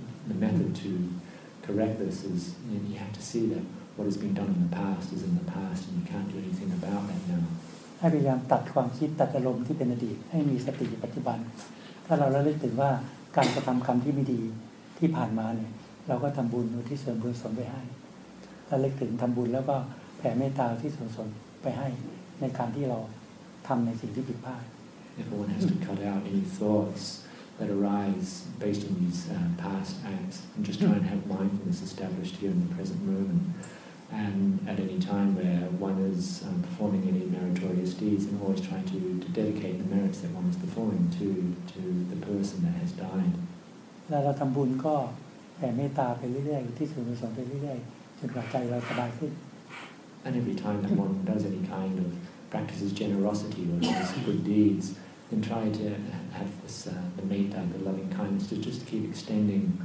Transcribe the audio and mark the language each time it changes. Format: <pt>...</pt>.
<en>The method to correct this is you have to see thatWhat has been done in the past is in the past, and you can't do anything about that now.</en> <th>ให้พยายามตัดความคิดตัดอารมณ์ที่เป็นอดีตให้มีสติปัจจุบันถ้าเราระลึกถึงว่าการกระทำกรรมที่ไม่ดีที่ผ่านมาเนี่ยเราก็ทำบุญอุทิศส่วนบุญส่วนไปให้ระลึกถึงทำบุญแล้วก็แผ่เมตตาที่ส่วนไปให้ในการที่เราทำในสิ่งที่ผิดพลาด</th> <en>If one has to cut out any thoughts that arise based on these past acts, and just try and have mindfulness established here in the present moment. And at any time where one is performing any meritorious deeds, and always trying to dedicate the merits that one is performing to the person that has died.</en> <th>เราทำบุญก็แผ่เมตตาไปเรื่อยๆที่ส่วนบุญส่วนไปเรื่อยๆจนหัวใจเราสบายขึ้น</th> <en>And every time that one does any kind of practices generosity or does good deeds, then try to have this the metta, the loving kindness, to just keep extending.</en>